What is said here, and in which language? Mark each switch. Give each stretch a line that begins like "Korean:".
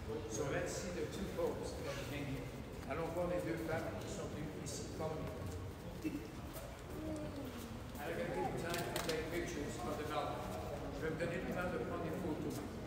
English: So let's see the two popes that came here.
French: Allons voir les deux femmes qui sont venues ici comme nous.
English: I'm going to take time to take pictures of the mountain.
French: Je vais me donner le temps de prendre des photos.